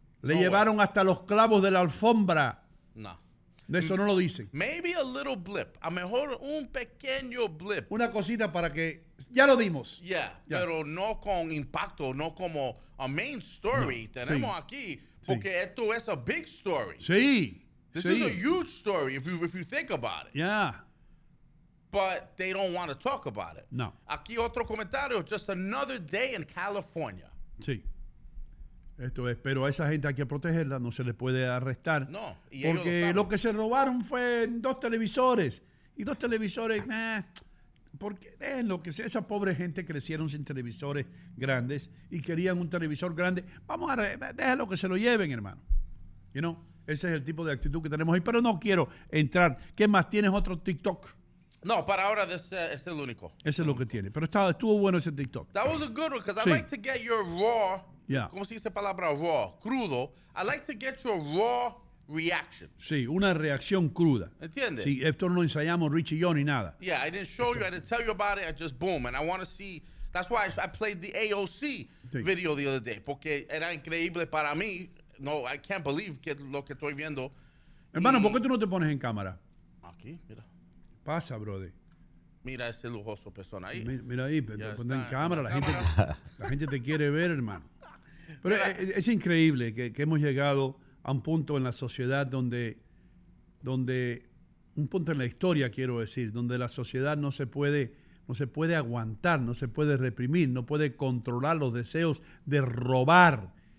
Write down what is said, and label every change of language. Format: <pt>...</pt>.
<es>Le llevaron hasta los clavos de la alfombra. No. De eso no lo dicen.</es> <en>Maybe a little blip.</en> <es>A mejor un pequeño blip. Una cosita para que... Ya lo dimos. Yeah. Pero no con impacto, no como</es> <en>a main story.</en> <es>No. Tenemos aquí, porque esto es</es> <en>a big story.</en> <es>Sí.</es> <en>This is a huge story if you think about it. Yeah. But they don't want to talk about it. No.</en> <es>Aquí otro comentario,</es> <en>just another day in California.</en> <es>Sí. Esto es, pero a esa gente hay que protegerla, no se le puede arrestar. No. Y porque lo que se robaron fue dos televisores. Y dos televisores, porque es lo que sea, esa pobre gente crecieron sin televisores grandes y querían un televisor grande. Vamos a déjalo que se lo lleven, hermano.</es> <en>You know?</en> <es>Ese es el tipo de actitud que tenemos ahí. Pero no quiero entrar. ¿Qué más? ¿Tienes otro TikTok? No, para ahora es el único. Ese es lo que tiene. Pero estuvo bueno ese TikTok.</es> <en>That was a good one, because I like to get your raw. Yeah.</en> <es>¿Cómo se dice palabra raw? Crudo.</es> <en>I like to get your raw reaction.</en> <es>Sí, una reacción cruda. ¿Entiendes? Sí, esto no lo ensayamos, Richie y yo, ni nada.</es> <en>Yeah, I didn't show you. I didn't tell you about it. I just, boom. And I want to see. That's why I played the AOC video the other day.</en> <es>Porque era increíble para mí.</es> <en>No, I can't believe</en> <es>que lo que estoy viendo. Hermano, ¿por qué tú no te pones en cámara? Aquí, mira. Pasa, brother. Mira ese lujoso persona ahí. Mira ahí, te pones en cámara. La gente te quiere ver, hermano. Pero es increíble que hemos llegado a un punto en la sociedad donde un punto en la historia, quiero decir, donde la sociedad no se puede aguantar, no se puede reprimir, no puede controlar los deseos de robar.</es>